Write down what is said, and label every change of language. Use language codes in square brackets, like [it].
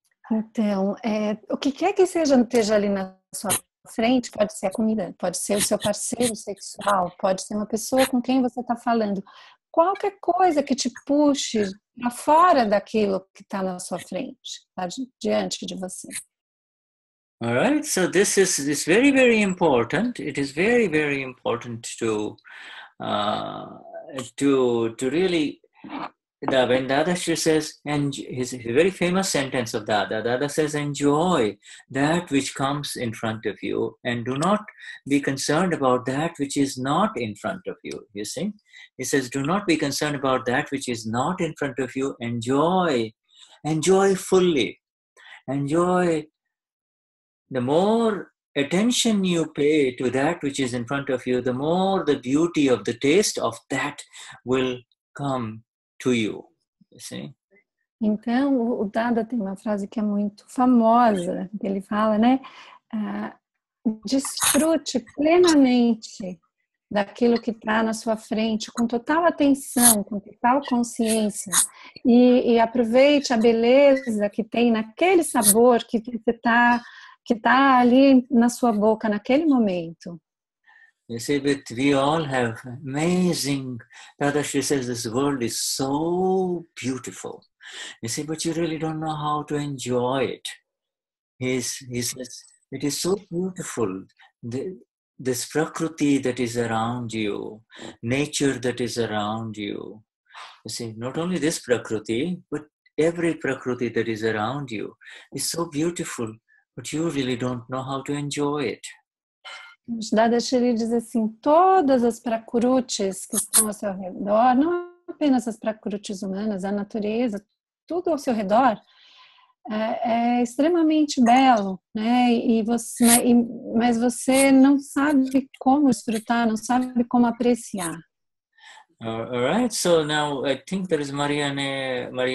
[pt] Então, o que quer que seja esteja ali na sua frente, pode ser a comida, pode ser o seu parceiro sexual, pode ser uma pessoa com quem você está falando. Qualquer coisa que te puxe para fora daquilo que está na sua frente, tá diante de você. [en] All right, so this is it's very, very important. It is very, very important to really... When Dadashri says, and his very famous sentence of Dada says, enjoy that which comes in front of you and do not be concerned about that which is not in front of you. You see? He says, do not be concerned about that which is not in front of you. Enjoy fully. Enjoy. The more attention you pay to that which is in front of you, the more the beauty of the taste of that will come to you. You see? [pt] Então, o Dada tem uma frase que é muito famosa, que ele fala, né? Desfrute plenamente daquilo que está na sua frente, com total atenção, com total consciência. E aproveite a beleza que tem naquele sabor que está que tá ali na sua boca, naquele momento. [en] You see, but we all have amazing... Dadashri says this world is so beautiful. You see, but you really don't know how to enjoy it. He says, it is so beautiful. This prakriti that is around you, nature that is around you. You see, not only this prakriti, but every prakriti that is around you is so beautiful, but you really don't know how to enjoy it. [pt] Dadashri diz assim, todas as prakrutis que estão ao seu redor, não apenas as prakrutis humanas, a natureza, tudo ao seu redor, é extremamente belo, né? Mas você não sabe como desfrutar, não sabe como apreciar. [en] All right, so now I think there is Marianne.